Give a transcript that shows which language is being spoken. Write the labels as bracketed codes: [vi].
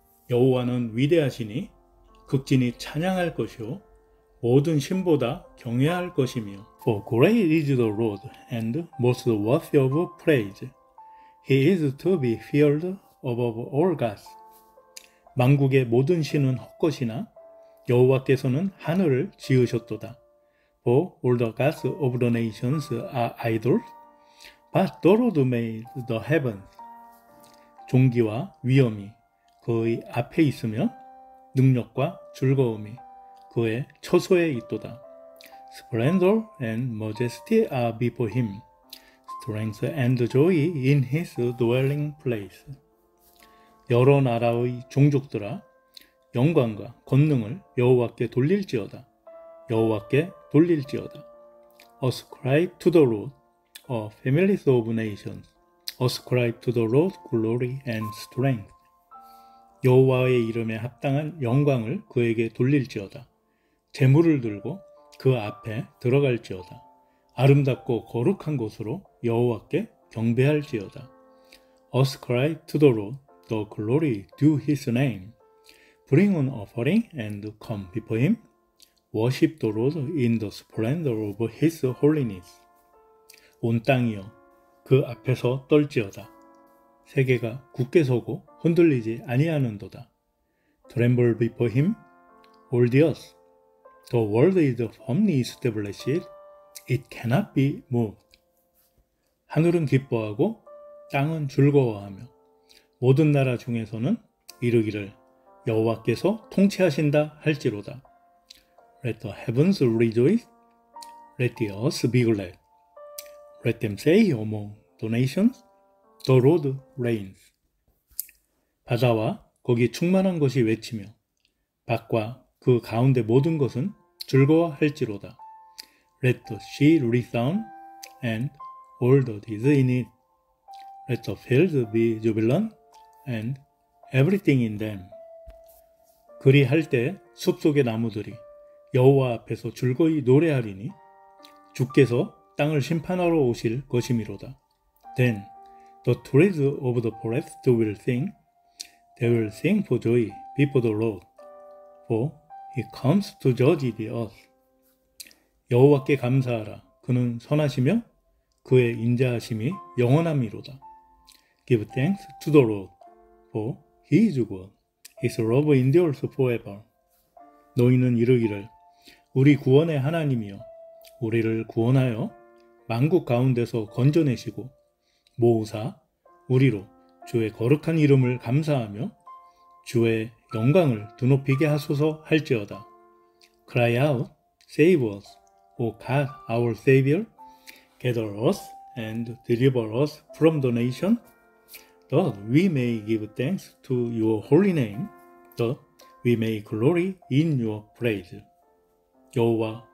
[ko] 여호와는 위대하시니 극진히 찬양할 것이요 모든 신보다 경외할 것이며 [en] For great is the Lord and most worthy of praise. He is to be feared above all gods. [ko] 만국의 모든 신은 헛것이나 여호와께서는 하늘을 지으셨도다. [en] For all the gods of the nations are idols, but the Lord made the heavens. [ko] 종기와 위엄이 그의 앞에 있으며 능력과 즐거움이 그의 처소에 있도다. [en] Splendor and majesty are before him, strength and joy in his dwelling place. [ko] 여러 나라의 종족들아, 영광과 권능을 여호와께 돌릴지어다. 여호와께 돌릴지어다. [en] Ascribe to the Lord, a family of nations. Ascribe to the Lord glory and strength. [ko] 여호와의 이름에 합당한 영광을 그에게 돌릴지어다. 재물을 들고 그 앞에 들어갈지어다. 아름답고 거룩한 곳으로 여호와께 경배할지어다. [en] Ascribe to the Lord. The glory due his name. Bring an offering and come before him. Worship the Lord in the splendor of his holiness. [ko] 온 땅이여 그 앞에서 떨지어다. 세계가 굳게 서고 흔들리지 아니하는도다. [en] Tremble before him, all the earth. The world is firmly established. It cannot be moved. [ko] 하늘은 기뻐하고 땅은 즐거워하며 모든 나라 중에서는 이르기를 여호와께서 통치하신다 할지로다. [en] Let the heavens rejoice, let the earth be glad. Let them say among the nations, the Lord reigns. [ko] 바다와 거기 충만한 것이 외치며 밭과 그 가운데 모든 것은 즐거워할지로다. [en] Let the sea resound and all that is in it. Let the fields be jubilant. And everything in them. [ko] 그리할 때 숲속의 나무들이 여호와 앞에서 즐거이 노래하리니 주께서 땅을 심판하러 오실 것이미로다. [en] Then the trees of the forest will sing. They will sing for joy before the Lord. For he comes to judge the earth. [ko] 여호와께 감사하라. 그는 선하시며 그의 인자하심이 영원함이로다. [en] Give thanks to the Lord. For he is good. His love endures forever. [ko] 너희는 이르기를 우리 구원의 하나님이여 우리를 구원하여 만국 가운데서 건져내시고 모우사 우리로 주의 거룩한 이름을 감사하며 주의 영광을 드높이게 하소서 할지어다. [en] Cry out, save us, O God, our Savior. Gather us and deliver us from the nation. That we may give thanks to your holy name, that we may glory in your praise. 여호와